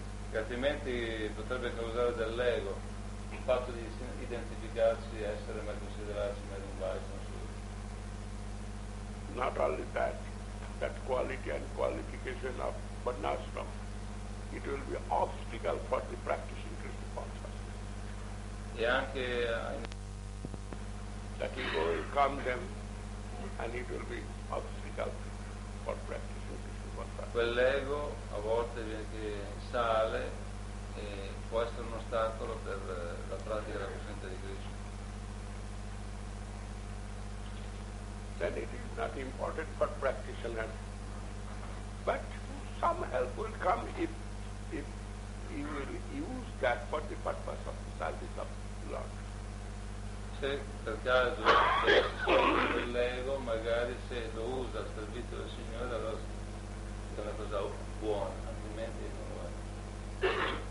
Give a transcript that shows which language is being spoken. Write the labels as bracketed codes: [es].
[it] che altrimenti potrebbe causare dell'ego, il fatto di identificarsi, essere mai considerati mai un vice, non solo. [en] Not only that, that quality and qualification of Varnashram, it will be obstacle for the practice in Krishna consciousness. [it] E anche [en] that ego will come them and it will be obstacle for practice. [it] Quell'ego a volte sale e può essere un ostacolo per la pratica della coscienza di Krishna. [en] Then it is not important for practitioner. But some help will come if you will use that for the purpose of service of the Lord. [it] Se per caso quell'ego, magari se lo usa al servizio del Signore, allora è una cosa buona, altrimenti non lo è.